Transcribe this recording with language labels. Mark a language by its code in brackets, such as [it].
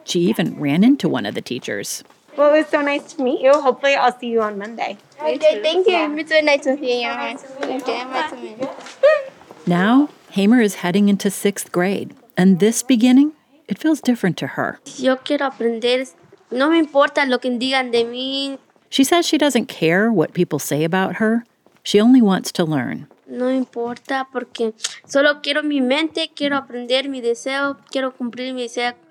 [en] She even ran into one of the teachers. Well, it was so nice to meet you. Hopefully I'll see you on Monday. Okay, thank you. Yeah. It's so nice to meet you. Now, Hamer is heading into sixth grade. And this beginning, it feels different to her. [es] Yo quiero aprender. No me importa lo que digan de mí. [en] She says she doesn't care what people say about her. She only wants to learn. [es] No importa porque solo quiero mi mente, quiero aprender mi deseo, quiero cumplir mi deseo.